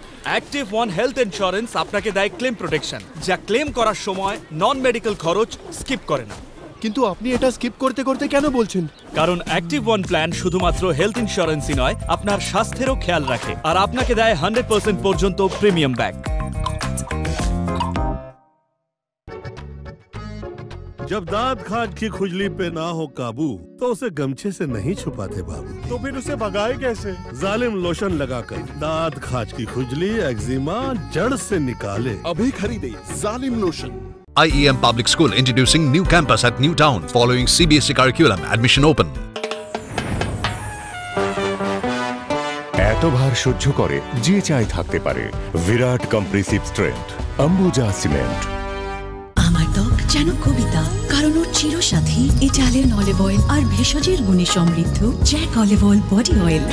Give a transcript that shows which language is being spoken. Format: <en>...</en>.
<bn>Active one health insurance আপনাকে দেয় claim protection, যা ক্লেম করার সময় নন মেডিকেল খরচ স্কিপ করে না। কিন্তু আপনি এটা স্কিপ করতে করতে কেন বলছেন? কারণ অ্যাক্টিভ ওয়ান প্ল্যান শুধুমাত্র হেলথ ইন্স্যুরেন্সই নয়, আপনার স্বাস্থ্যেরও খেয়াল রাখে আর আপনাকে দেয় 100% পর্যন্ত প্রিমিয়াম ব্যাক।</bn> <hi>जब दांत खाट की खुजली पे ना हो काबू तो उसे गमछे से नहीं छुपाते बाबू। तो फिर उसे भगाए कैसे? जालिम लोशन लगाकर दांत खाट की खुजली एक्जिमा जड़ से निकाले। अभी खरीदे जालिम lotion.</hi> <en>IEM Public School introducing new campus at New Town following CBSE curriculum, admission open.</en> <bn>এত ভার সহ্য করে যে চাই থাকতে পারে বিরাট কম্প্রেসিভ স্ট্রেংথ অম্বুজা সিমেন্ট। জানো কবিতা, কারণ ওর চিরসাথী ইটালিয়ান অলিভ অয়েল আর ভেষজের গুণে সমৃদ্ধ Jack olive oil body oil.</bn>